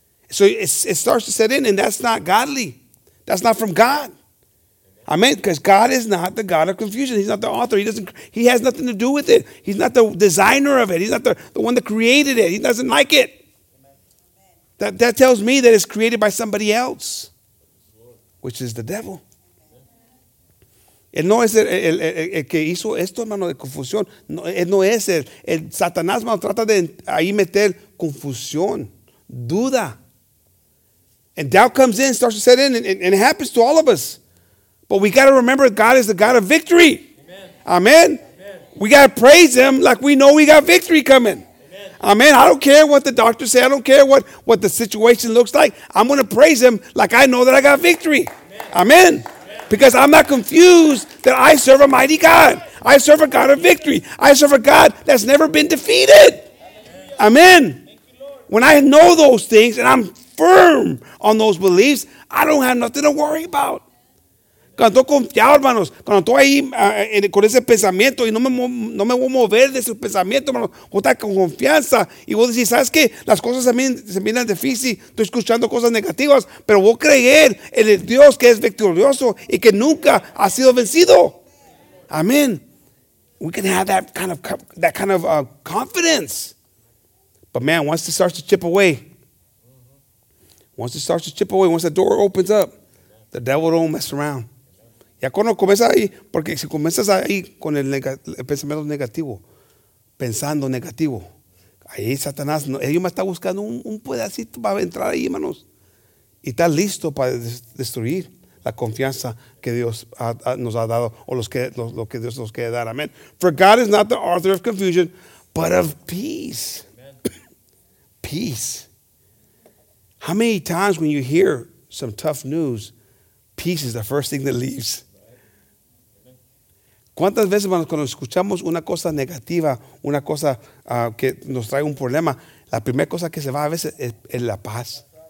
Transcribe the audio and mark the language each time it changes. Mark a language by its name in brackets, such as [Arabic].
[English] So it starts to set in, and that's not godly. That's not from God. Amen. Because God is not the God of confusion. He's not the author. He has nothing to do with it. He's not the designer of it. He's not the one that created it. He doesn't like it. That tells me that it's created by somebody else, which is the devil. [Spanish] Él no es el que hizo esto, hermano, de confusión. No, él no es el Satanás, hermano, trata de ahí meter confusión, duda. [English] And doubt comes in, starts to set in, and it happens to all of us. But we got to remember God is the God of victory. Amen. Amen. Amen. We got to praise him like we know we got victory coming. Amen. I don't care what the doctor say. I don't care what the situation looks like. I'm going to praise him like I know that I got victory. Amen. Amen. Amen. Because I'm not confused that I serve a mighty God. I serve a God of victory. I serve a God that's never been defeated. Amen. When I know those things and I'm firm on those beliefs, I don't have nothing to worry about. [Spanish] Cuando estoy confiado, hermanos, cuando estoy ahí con ese pensamiento y no me voy a mover de ese pensamiento, hermanos, voy a estar con confianza y voy a decir, ¿sabes qué? Las cosas a mí se miran difícil, estoy escuchando cosas negativas, pero voy a creer en el Dios que es victorioso y que nunca ha sido vencido. Amén. [English] We can have that kind of confidence. But man, once it starts to chip away, once the door opens up, the devil don't mess around. [Spanish] Ya cuando comienzas ahí, porque si comienzas ahí con el pensamiento negativo, pensando negativo, ahí Satanás, ellos me están buscando un pedacito para entrar ahí, hermanos. Y está listo para destruir la confianza que Dios nos ha dado o lo que Dios nos quiere dar. Amén. [English] For God is not the author of confusion, but of peace. Peace. How many times when you hear some tough news, peace is the first thing that leaves? [Spanish] ¿Cuántas veces, hermanos, cuando escuchamos una cosa negativa, una cosa que nos trae un problema, la primera cosa que se va a veces es la paz?